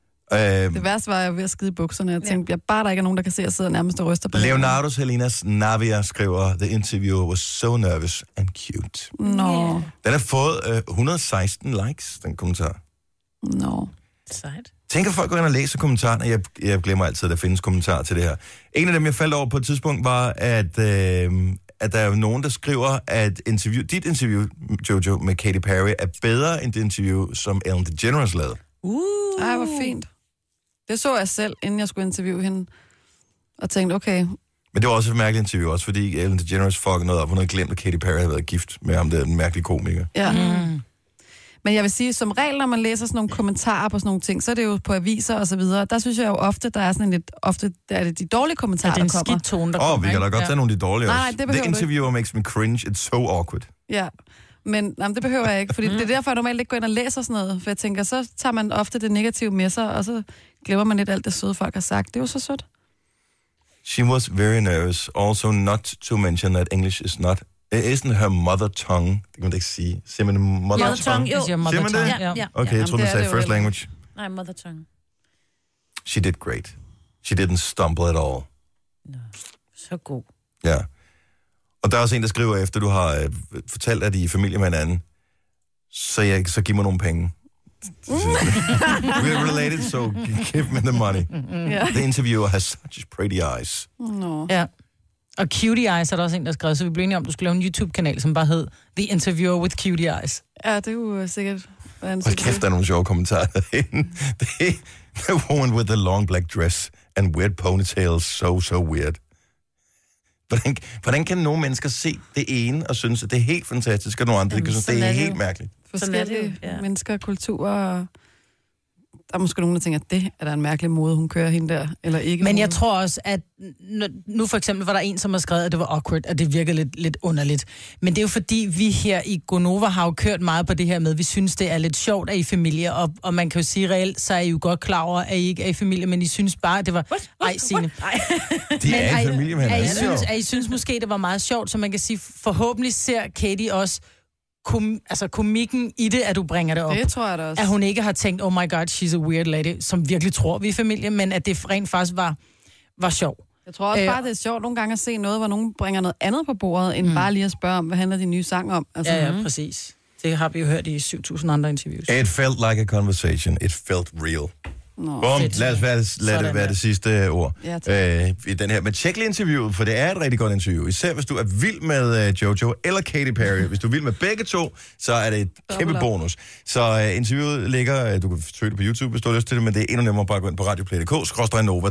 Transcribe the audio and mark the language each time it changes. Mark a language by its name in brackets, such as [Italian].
[Danish] Det værste var, at jeg var ved at skide bukserne. Jeg tænkte, ja, bare der ikke er nogen, der kan se, at jeg sidder nærmest og ryster på. [English] Leonardo Salinas Navia [Danish] skriver, [English] the interviewer was so nervous and cute. [Danish] No. Den har fået 116 likes, den kommentar. No. Sejt. Tænker folk går ind og læser kommentarerne, jeg glemmer altid, at der findes kommentarer til det her. En af dem, jeg faldt over på et tidspunkt, var, at der er nogen, der skriver, at interview, dit interview, Jojo, med Katy Perry, er bedre end det interview, som Ellen DeGeneres lavede. Ej, hvor fint. Det så jeg selv, inden jeg skulle interviewe hende, og tænkte, okay. Men det var også et mærkeligt interview, også fordi Ellen DeGeneres fuckede noget op, hun havde glemt, at Katy Perry havde været gift med ham, det er en mærkelig komiker. Ja. Mm. Men jeg vil sige, som regel, når man læser sådan nogle kommentarer på sådan nogle ting, så er det jo på aviser og så videre. Der synes jeg jo ofte, der er sådan en lidt, ofte der er det de dårlige kommentarer, der kommer. Er det en skidtone, der kommer? Åh, vi kan da godt tage nogle de dårlige også. Nej, det behøver du ikke. [English] The interviewer makes me cringe. It's so awkward. [Danish] Ja, men jamen, det behøver jeg ikke, fordi det er derfor, jeg normalt ikke går ind og læser sådan noget. For jeg tænker, så tager man ofte det negative med sig, og så glemmer man lidt alt det søde folk har sagt. Det er jo så sødt. [English] She was very nervous. Also not to mention that English is not... It isn't her mother tongue, [Danish] det kan man ikke sige. Siger man mother tongue? Mother tongue, jo. Siger man det? Ja, ja. Okay, jeg tror, man sagde first language. Nej, mother tongue. [English] She did great. She didn't stumble at all. [Danish] Nå, så god. Ja. Og der er også en, der skriver, efter du har fortalt, at I er familie med hinanden, så giv mig nogle penge. [English] We're related, so give me the money. Yeah. The interviewer has such pretty eyes. [Danish] Nå. Ja. Og Cutie Eyes er der også en, der skrev, så vi blev enige om, du skulle lave en YouTube-kanal, som bare hed The Interviewer with Cutie Eyes. Ja, det er jo sikkert. Hold kæft, der er nogle sjove kommentarer. [English] The woman with the long black dress and weird ponytails, so, so weird. [Danish] Hvordan kan nogle mennesker se det ene og synes, at det er helt fantastisk, og nogle andre, jamen, synes, det er helt mærkeligt? Forskellige mennesker, kulturer. Der er måske nogen, der tænker, at det er der en mærkelig måde, hun kører hende der, eller ikke. Men hun... jeg tror også, at nu for eksempel var der en, som har skrevet, at det var awkward, at det virkede lidt underligt. Men det er jo fordi, vi her i Gonova har jo kørt meget på det her med, vi synes, det er lidt sjovt, at I er familie, og man kan jo sige reelt, så er I jo godt klar over, at I ikke er i familie, men I synes bare, at det var... Ej, Signe. De er i familie, men er I synes måske, det var meget sjovt, så man kan sige, forhåbentlig ser Katy også... komikken i det, at du bringer det op. Det tror jeg da også. At hun ikke har tænkt, [English] oh my god, she's a weird lady, [Danish] som virkelig tror, vi er familie, men at det rent faktisk var sjov. Jeg tror også bare, det er sjovt nogle gange at se noget, hvor nogen bringer noget andet på bordet, end bare lige at spørge om, hvad handler din nye sang om? Altså, ja, præcis. Det har vi jo hørt i 7.000 andre interviews. [English] It felt like a conversation. It felt real. [Danish] Bum, lad det være det sidste ord. Ja, i den her. Men tjek lige interviewet, for det er et rigtig godt interview. Især hvis du er vild med Jojo eller Katy Perry. Hvis du er vild med begge to, så er det et kæmpe bonus. Så interviewet ligger, du kan søge det på YouTube, hvis du har lyst til det, men det er endnu nemmere bare at gå ind på radioplay.dk/Nova.